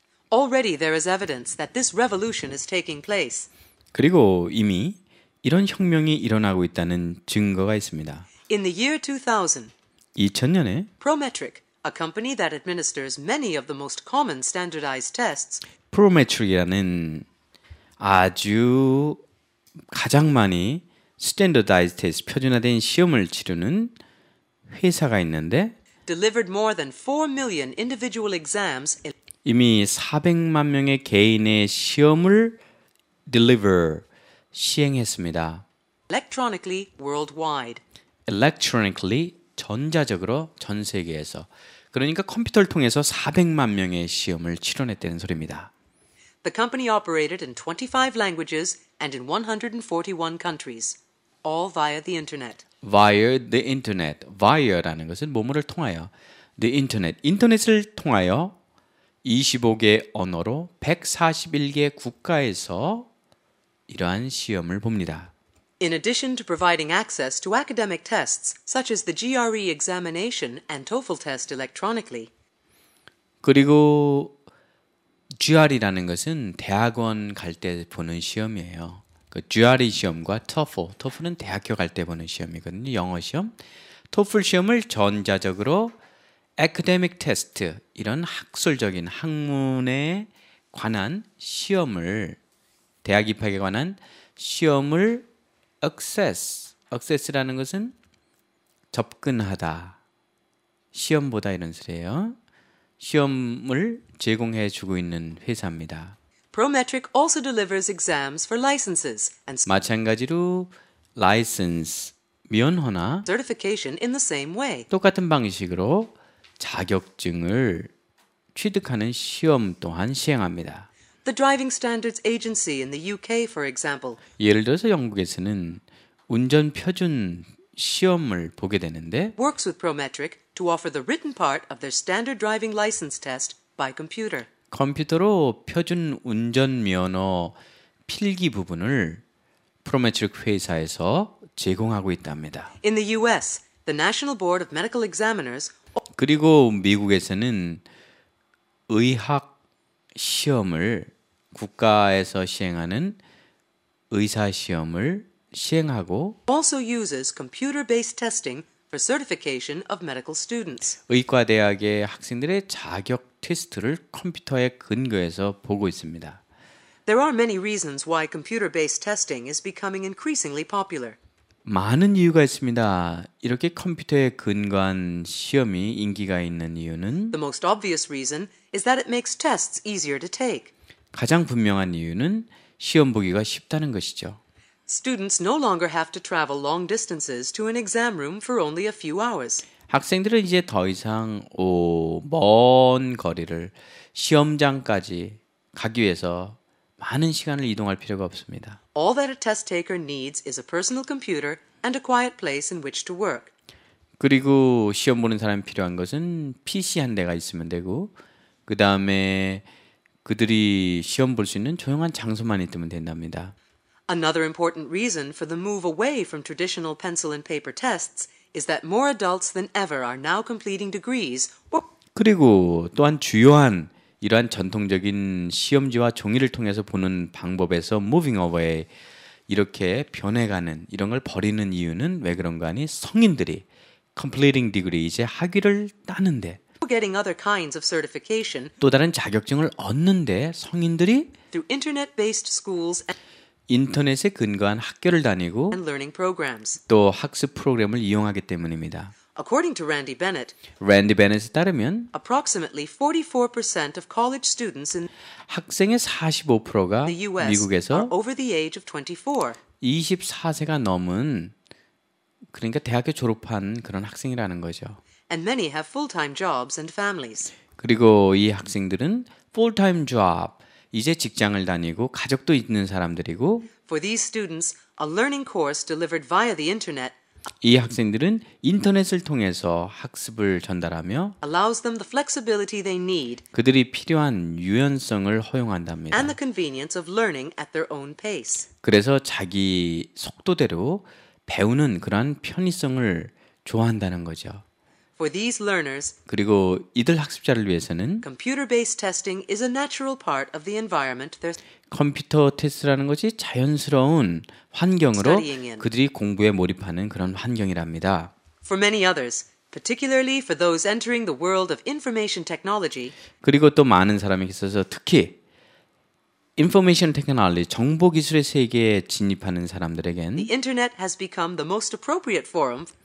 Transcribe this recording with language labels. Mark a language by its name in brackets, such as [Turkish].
[English] Already there is evidence that this revolution is taking place. [Korean] 그리고 이미 이런 혁명이 일어나고 있다는 증거가 있습니다. [English] In the year 2000, [Korean] 2000년에 [English] Prometric, a company that administers many of the most common standardized tests, [Korean] Prometric이라는 아주 가장 많이 [English] standardized test, [Korean] 표준화된 시험을 치르는 회사가 있는데 [English] delivered more than 4 million individual exams. [Korean] 이미 400만 명의 개인의 시험을 [English] deliver [Korean] 시행했습니다. [English] Electronically worldwide. Electronically [Korean] 전자적으로 전 세계에서 그러니까 컴퓨터를 통해서 400만 명의 시험을 치러냈다는 소리입니다. [English] The company operated in 25 languages and in 141 countries, all via the internet. [Korean] Via라는 것은 뭐뭐를 통하여. [English] The internet. [Korean] 인터넷을 통하여 25개 언어로 141개 국가에서 이러한 시험을 봅니다. [English] In addition to providing access to academic tests such as the GRE examination and TOEFL test electronically. [Korean] 그리고 GRE라는 것은 대학원 갈 때 보는 시험이에요. 그 GRE 시험과 TOEFL, TOEFL은 대학교 갈 때 보는 시험이거든요. 영어 시험. TOEFL 시험을 전자적으로 [English] academic test [Korean] 이런 학술적인 학문에 관한 시험을 대학 입학에 관한 시험을 [English] access. access [Korean] 라는 것은 접근하다. 시험보다 이런 소리예요. 시험을 제공해 주고 있는 회사입니다. [English] Prometric also delivers exams for licenses and [Korean] 마찬가지로 license, 면허나 [English] certification in the same way. [Korean] 똑같은 방식으로 자격증을 취득하는 시험 또한 시행합니다. [English] The Driving Standards Agency in the UK, for example. [Korean] 예를 들어서 영국에서는 운전 표준 시험을 보게 되는데 [English] works with Prometric to offer the written part of their standard driving license test by computer. [Korean] 컴퓨터로 표준 운전 면허 필기 부분을 Prometric 회사에서 제공하고 있답니다. [English] In the US, the National Board of Medical Examiners [Korean] 그리고 미국에서는 의학 시험을 국가에서 시행하는 의사 시험을 시행하고 [English] also uses computer-based testing for certification of medical students. [Korean] 의과대학의 학생들의 자격 테스트를 컴퓨터에 근거해서 보고 있습니다. [English] There are many reasons why computer-based testing is becoming increasingly popular. [Korean] 많은 이유가 있습니다. 이렇게 컴퓨터에 근거한 시험이 인기가 있는 이유는 [English] The most obvious reason is that it makes tests easier to take. [Korean] 가장 분명한 이유는 시험 보기가 쉽다는 것이죠. [English] Students no longer have to travel long distances to an exam room for only a few hours. [Korean] 학생들은 이제 더 이상 먼 거리를 시험장까지 가기 위해서 많은 시간을 이동할 필요가 없습니다. [English] All that a test taker needs is a personal computer and a quiet place in which to work. [Korean] 그리고 시험 보는 사람이 필요한 것은 PC 한 대가 있으면 되고 그다음에 그들이 시험 볼 수 있는 조용한 장소만 있으면 된답니다. [English] Another important reason for the move away from traditional pencil and paper tests is that more adults than ever are now completing degrees. [Korean] 그리고 또한 주요한 이러한 전통적인 시험지와 종이를 통해서 보는 방법에서 [English] moving away [Korean] 이렇게 변해가는 이런 걸 버리는 이유는 왜 그런가 하니 성인들이 [English] completing degree [Korean] 이제 학위를 따는데 [English] getting other kinds of certification [Korean] 또 다른 자격증을 얻는데 성인들이 [English] through internet-based schools [Korean] 인터넷에 근거한 학교를 다니고 [English] and learning programs [Korean] 또 학습 프로그램을 이용하기 때문입니다. [English] According to Randy Bennett, [Korean] Randy Bennett에 따르면 [English] approximately 44% of college students in [Korean] 학생의 45%가 [English] the US [Korean] 미국에서 [English] are over the age of [Korean] 24세가 넘은 그러니까 대학교 졸업한 그런 학생이라는 거죠. [English] And many have full-time jobs and families. [Korean] 그리고 이 학생들은 [English] full-time job, [Korean] 이제 직장을 다니고 가족도 있는 사람들이고 [English] For these students, a learning course delivered via the internet [Korean] 이 학생들은 인터넷을 통해서 학습을 전달하며 [English] allows them the flexibility they need [Korean] 그들이 필요한 유연성을 허용한답니다. [English] And the convenience of learning at their own pace. [Korean] 그래서 자기 속도대로 배우는 그런 편의성을 좋아한다는 거죠. [English] For these learners, [Korean] 그리고 이들 학습자를 위해서는 [English] computer-based testing is a natural part of the environment. [Korean] 컴퓨터 테스트라는 것이 자연스러운 환경으로 그들이 공부에 몰입하는 그런 환경이랍니다. [English] For many others, particularly for those entering the world of information technology, [Korean] 그리고 또 많은 사람에게 있어서 특히 [English] information technology [Korean] 정보 기술의 세계에 진입하는 사람들에겐 [English] the internet has become the most appropriate forum.